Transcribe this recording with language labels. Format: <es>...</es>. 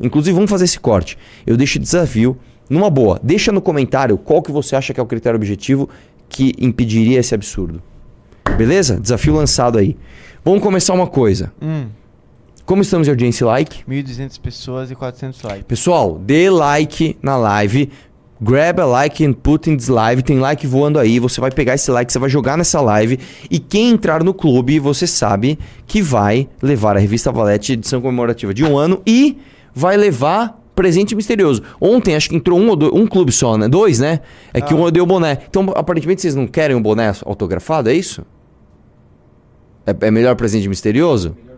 <pt>Inclusive, vamos fazer esse corte. Eu deixo esse desafio. Numa boa, deixa no comentário qual que você acha que é o critério objetivo que impediria esse absurdo. Beleza? Desafio lançado aí. Vamos começar uma coisa. Como estamos de audiência e like? 1.200 pessoas e 400 likes. Pessoal, dê like na live.</pt> <en>Grab a like and put in this live.</en> <pt>Tem like voando aí. Você vai pegar esse like, você vai jogar nessa live. E quem entrar no clube, você sabe que vai levar a revista Valete, edição comemorativa de um ano. E vai levar presente misterioso. Ontem acho que entrou um ou dois, um clube só, né? Dois, né? É que um eu dei o boné. Então, aparentemente, vocês não querem um boné autografado, é isso? É melhor presente misterioso?</pt>